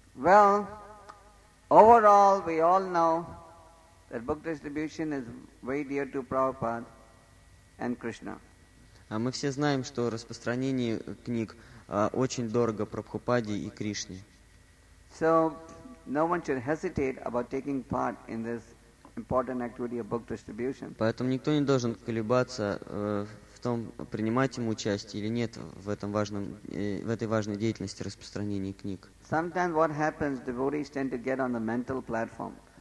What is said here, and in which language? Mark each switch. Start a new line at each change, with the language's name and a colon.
English: Well, overall, we all know that book distribution is very dear to Prabhupada and Krishna.
Russian: Мы все знаем, что распространение книг очень дорого Прабхупаде и Кришне.
English: So, no one should hesitate about taking part in this important activity of book distribution.
Russian: Поэтому никто не должен колебаться в том, принимать ему участие или нет в этом важном, в этой важной деятельности распространения книг.
English: Sometimes what happens, devotees tend to get on the mental platform.